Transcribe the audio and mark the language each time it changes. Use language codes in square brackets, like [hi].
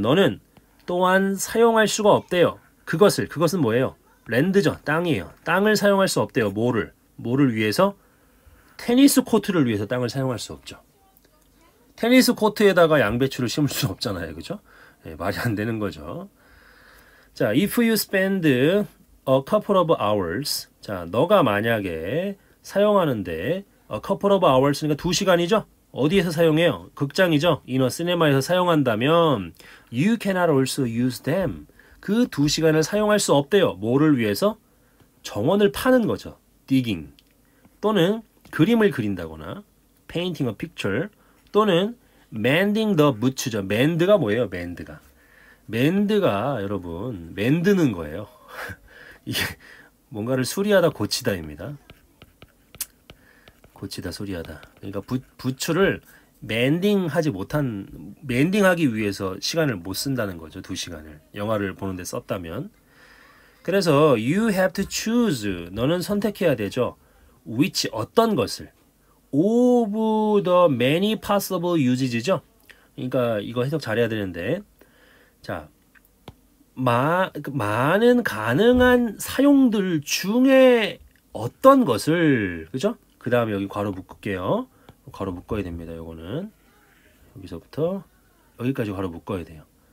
[ko] 너는 또한 사용할 수가 없대요. 그것을, 그것은 뭐예요? 랜드죠. 땅이에요. 땅을 사용할 수 없대요. 뭐를? 뭐를 위해서? 테니스 코트를 위해서 땅을 사용할 수 없죠. 테니스 코트에다가 양배추를 심을 수 없잖아요. 그죠? 네, 말이 안 되는 거죠. [en] 자, if you spend a couple of hours. [ko] 자, 너가 만약에 사용하는데 [en] a couple of hours [ko] 니까 2시간이죠? 어디에서 사용해요? 극장이죠? 인어 시네마에서 사용한다면 [en] you cannot also use them. [ko] 그 2시간을 사용할 수 없대요. 뭐를 위해서? 정원을 파는 거죠. digging. 또는 그림을 그린다거나 [en] painting a picture [ko] 또는 [en] mending the boots [ko] 죠. mend가 뭐예요? mend가. mend가 여러분, 만드는 거예요. 이게 뭔가를 수리하다 고치다입니다. 고치다 수리하다. 그러니까 부츠를 맨딩하지 못한 맨딩하기 위해서 시간을 못 쓴다는 거죠. 2시간을 영화를 보는데 썼다면. 그래서 [en] you have to choose. [ko] 너는 선택해야 되죠. [en] which [ko] 어떤 것을 [en] of the many possible uses죠. [ko] 그러니까 이거 해석 잘해야 되는데. 자. 많은 가능한 사용들 중에 어떤 것을, 그죠? 그 다음에 여기 괄호 묶을게요. 괄호 묶어야 됩니다. 요거는 여기서부터 여기까지 괄호 묶어야 돼요.